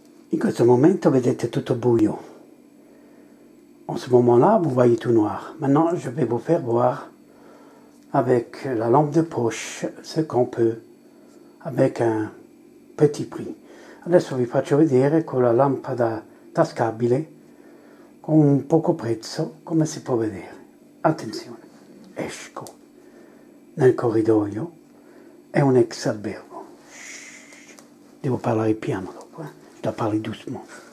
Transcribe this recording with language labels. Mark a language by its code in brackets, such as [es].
[it] In questo momento vedete tutto buio. [fr] En ce moment-là, vous voyez tout noir. Maintenant, je vais vous faire voir avec la lampe de poche ce qu'on peut avec un petit prix. [it] Adesso vi faccio vedere con la lampada tascabile, con un poco prezzo, come si può vedere. Attenzione, esco nel corridoio, è un ex albergo. Devo parlare piano dopo, da parlare doucement.